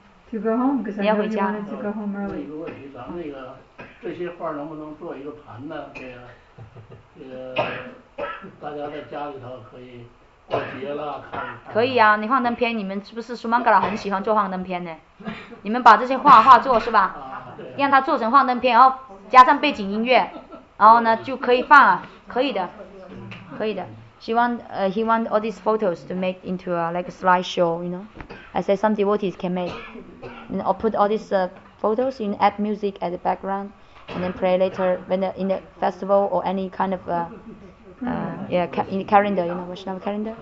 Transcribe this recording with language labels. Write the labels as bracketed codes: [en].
[en] to go home because I know you wanted to go home early. [zh] 有一个问题，咱们那个。这些画能不能做一个盘呢？给大家在家里头可以过节了看看。可以啊，你幻灯片，你们是不是苏曼格拉很喜欢做幻灯片呢？你们把这些画作是吧？啊，对。让它做成幻灯片，然后加上背景音乐，然后呢就可以放啊，可以的，可以的。 [en] He want all these photos to make into a like a slideshow, you know? I say some devotees can make, and I'll put all these photos, you add music at the background, and then play later when the, in the festival or any kind of in the calendar, you know, Vaishnava calendar.